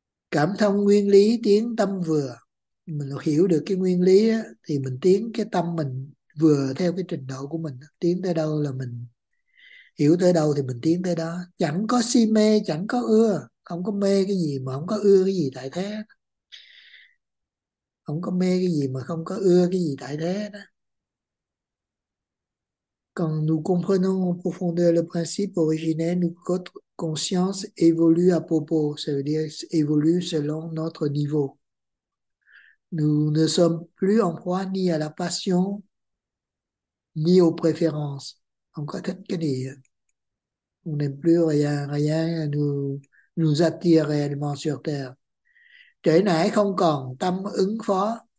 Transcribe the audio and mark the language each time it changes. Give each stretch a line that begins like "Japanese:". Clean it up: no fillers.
Vietnamese: Cảm thông nguyên lý tiến tâm vừa, mình hiểu được cái nguyên lý đó, thì mình tiến cái tâm mình vừa theo cái trình độ của mình, tiến tới đâu là mình hiểu tới đâu thì mình tiến tới đó. Chẳng có si mê, chẳng có ưa, không có mê cái gì mà không có ưa cái gì tại thế, không có mê cái gì mà không có ưa cái gì tại thế đó.
French: Quand nous comprenons en profondeur le principe originel, notre conscience évolue à propos, ça veut dire évolue selon notre niveau. Nous ne sommes plus en proie ni à la passion, lié aux préférences. Donc, on n'aime plus rien, rien nous attire réellement sur Terre.
Vietnamese: Trở nên không còn tâm ứng phó.